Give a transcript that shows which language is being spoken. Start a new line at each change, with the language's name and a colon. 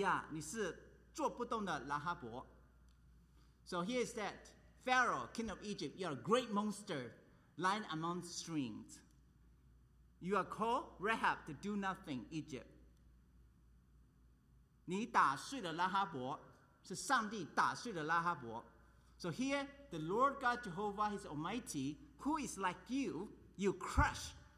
Chinese: 你看以西结书里面说，法老啊，你是河中的大鱼；埃及啊，你是坐不动的拉哈伯。
English: So here is that Pharaoh, king of Egypt, you are a great monster, lying among streams. You are called Rahab to do nothing, Egypt.
Chinese: 你打碎了拉哈伯，是上帝打碎了拉哈伯。
English: So here, the Lord God Jehovah is Almighty, who is like you. You crush.